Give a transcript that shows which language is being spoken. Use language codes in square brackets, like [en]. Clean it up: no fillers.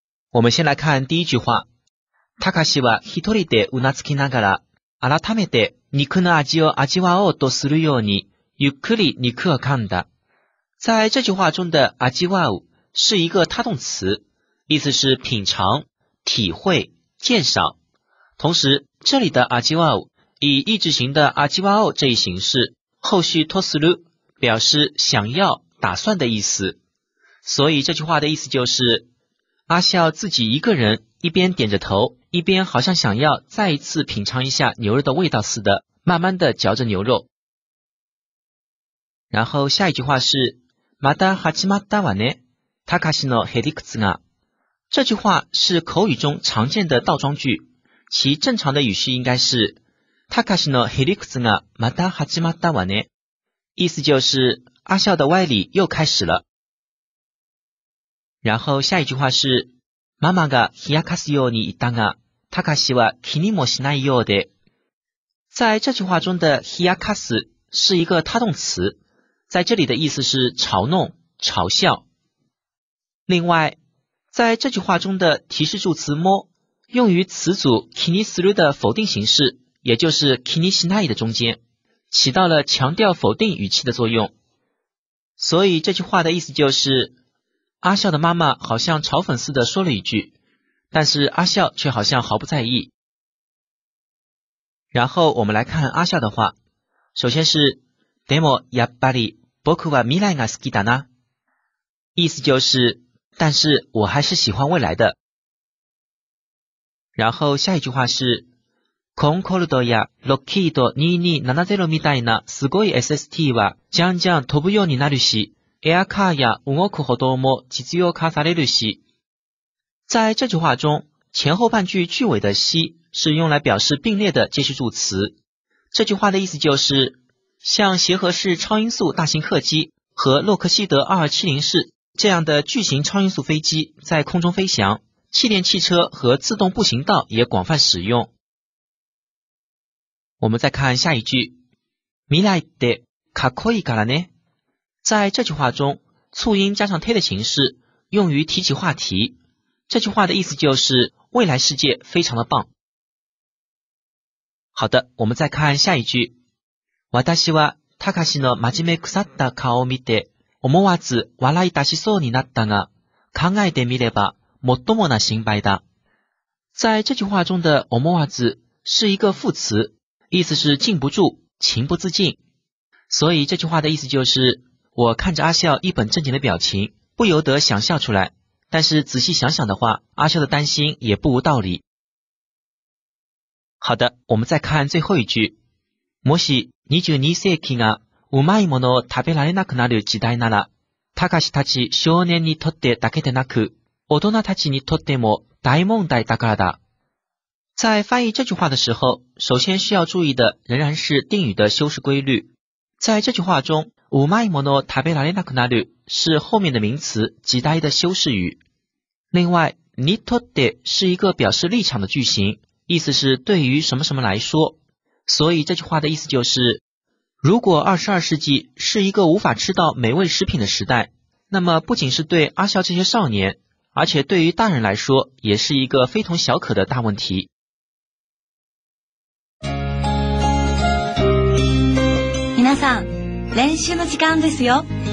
[zh] 我们先来看第一句话。 [ja] たかしは一人でうなずきながら、改めて肉の味を味わおうとするように、ゆっくり肉を噛んだ。 [zh] 在这句话中的味わう是一个他动词，意思是品尝、体会、鉴赏。同时，这里的味わう以意志型的味わおう这一形式，后续とする表示想要、打算的意思。所以这句话的意思就是，阿笑自己一个人一边点着头，一边好像想要再一次品尝一下牛肉的味道似的，慢慢的嚼着牛肉。然后下一句话是 [ja] また始まったわね。たかしのヘリクツが。 [zh] 这句话是口语中常见的倒装句，其正常的语序应该是 [ja] たかしのヘリクツがまた始まったわね。 [zh] 意思就是阿笑的歪理又开始了。 [ja] 然后下一句话是ママが冷やかすように言ったが、たかしは気にもしないようで。 [zh] 在这句话中的冷やかす是一个他动词。在这里的意思是嘲弄、嘲笑。另外，在这句话中的提示助词も用于词组気にする的否定形式，也就是気にしない的中间，起到了强调否定语气的作用。所以这句话的意思就是，阿笑的妈妈好像嘲讽似的说了一句，但是阿笑却好像毫不在意。然后我们来看阿笑的话，首先是 [ja] でもやっぱり僕は未来が好きだな。 [zh] 意思就是，但是我还是喜欢未来的。 [ja] 然后下一句话是，コンコルドやロッキード2270みたいなすごい SST はじゃんじゃん飛ぶようになるし、エアカーや動くほども実用化されるし。 [zh] 在这句话中，前后半句句尾的し是用来表示并列的介系助词。这句话的意思就是，像协和式超音速大型客机和洛克希德2270式这样的巨型超音速飞机在空中飞翔，气垫汽车和自动步行道也广泛使用。我们再看下一句， [ja] 未来ってかっこいいからね。 [zh] 在这句话中，促音加上て的形式用于提起话题。这句话的意思就是未来世界非常的棒。好的，我们再看下一句。 [ja] 私は、たかしの真面目腐った顔を見て、思わず笑い出しそうになったが、考えてみれば、最もな心配だ。 [zh] 在这句话中的思わず是一个副词，意思是禁不住、情不自禁。所以这句话的意思就是，我看着阿笑一本正经的表情，不由得想笑出来。但是仔细想想的话，阿笑的担心也不无道理。好的，我们再看最后一句。 [ja] もし22世紀がうまいものを食べられなくなる時代なら、たかしたち少年にとってだけでなく、大人たちにとっても大問題だからだ。 [zh] 在翻译这句话的时候，首先需要注意的仍然是定语的修饰规律。在这句话中， [ja] うまいものを食べられなくなる [zh] 是后面的名词時代的修饰语。另外，にとって是一个表示立场的句型，意思是对于什么什么来说。所以这句话的意思就是，如果22世纪是一个无法吃到美味食品的时代，那么不仅是对阿笑这些少年，而且对于大人来说也是一个非同小可的大问题。 [ja] 皆さん、練習の時間ですよ。